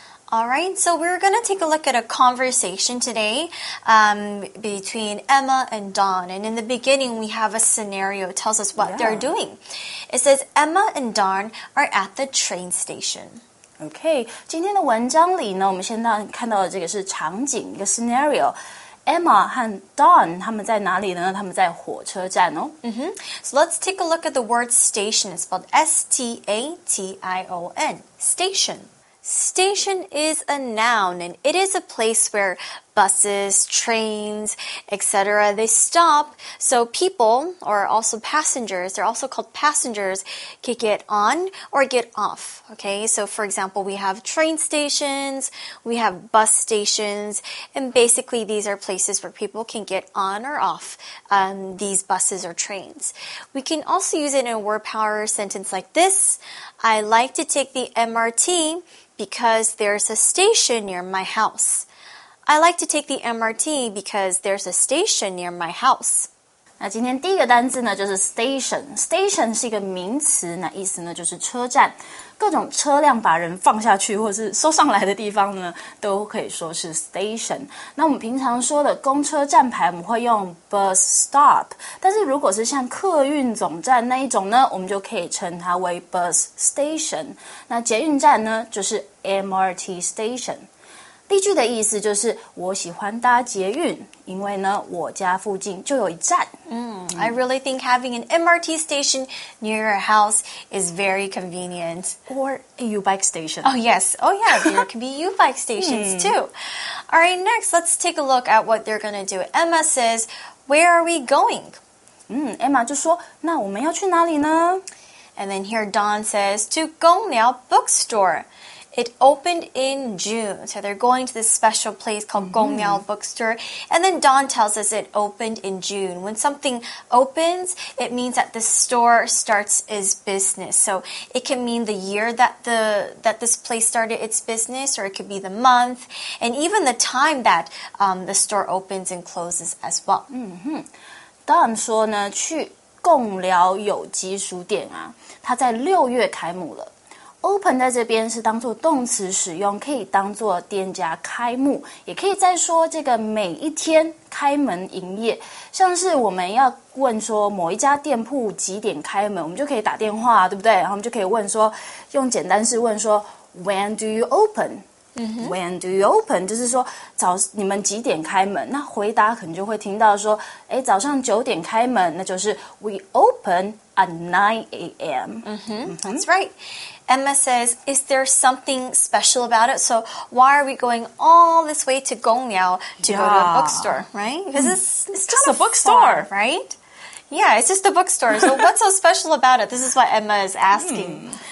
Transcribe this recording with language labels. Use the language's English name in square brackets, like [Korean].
[English] All right, so we're going to take a look at a conversation today between Emma and Don. And in the beginning, we have a scenario that tells us what they're doing. It says, Emma and Don are at the train station. [Chinese] Okay, 今天的文章里呢，我们现在看到的这个是场景，一个 scenario。 Emma 和 Don, 他们在哪里呢？他们在火车站哦。 Mm-hmm. [English] So let's take a look at the word station. It's spelled S-T-A-T-I-O-N, station. Station is a noun, and it is a place where buses, trains, etc., they stop. So people, or also passengers, they're also called passengers, can get on or get off. Okay, so for example, we have train stations, we have bus stations, and basically these are places where people can get on or off, these buses or trains. We can also use it in a word power sentence like this. I like to take the MRT. Because there's a station near my house. I like to take the MRT because there's a station near my house. [Chinese] 那今天第一个单字呢就是 station。station 是一个名词，那意思呢就是车站。各种车辆把人放下去或是收上来的地方呢都可以说是 station。那我们平常说的公车站牌我们会用 bus stop。但是如果是像客运总站那一种呢我们就可以称它为 bus station。那捷运站呢就是 MRT station。例句的意思就是我喜欢搭捷运因为呢我家附近就有一站。 [English] I really think having an MRT station near your house is very convenient. Or a U-bike station. Oh yes, oh yeah, there can be U-bike stations too. Alright, next, let's take a look at what they're going to do. Emma says, where are we going? [Chinese] Emma 就说那我们要去哪里呢 [English] And then here Don says, to Gongliao Bookstore. It opened in June, so they're going to this special place called Gongliao Bookstore. And then Don tells us it opened in June. When something opens, it means that the store starts its business. So it can mean the year that this place started its business, or it could be the month, and even the time that the store opens and closes as well. [Chinese] Don 说呢，去贡寮有机书店啊，它在六月开幕了。 Open 在这边是当作动词使用，可以当作店家开幕，也可以再说这个每一天开门营业。像是我们要问说某一家店铺几点开门，我们就可以打电话，对不对？然后我们就可以问说，用简单式问说 ， [English] When do you open？ When do you open? [Chinese] 就是说早你们几点开门那回答可能就会听到说诶早上九点开门那就是 [English] We open at 9 a.m. That's right. Emma says, is there something special about it? So why are we going all this way to Gongliao to go to a bookstore, right? Because it's just a bookstore, right? Yeah, it's just a bookstore. So what's so special about it? This is what Emma is asking.